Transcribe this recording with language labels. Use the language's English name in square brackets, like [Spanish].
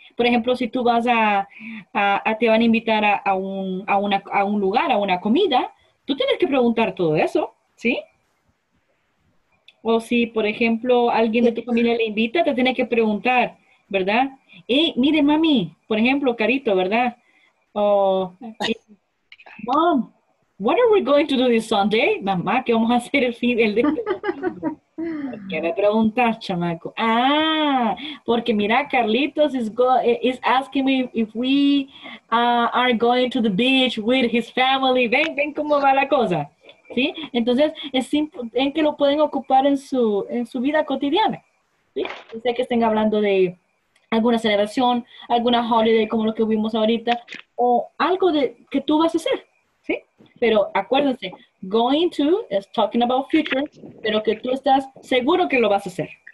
[Spanish] Por ejemplo, si tú vas a te van a invitar a un lugar, a una comida, tú tienes que preguntar todo eso, ¿sí? O si, por ejemplo, alguien de tu familia le invita, te tiene que preguntar, ¿verdad? Hey, mire, mami, por ejemplo, Carito, ¿verdad? [English] O, mom, what are we going to do this Sunday? [Spanish] Mamá, ¿qué vamos a hacer el fin del día? ¿Qué me preguntas, chamaco? Ah, porque mira, [English] Carlitos is asking me if we are going to the beach with his family. [Spanish] Ven, ven cómo va la cosa. ¿Sí? Entonces, es en que lo pueden ocupar en su vida cotidiana. ¿Sí? Sé que estén hablando de alguna celebración, alguna holiday como lo que vimos ahorita, o algo de, que tú vas a hacer. ¿Sí? Pero acuérdense, [English] going to is talking about future, [Spanish] pero que tú estás seguro que lo vas a hacer.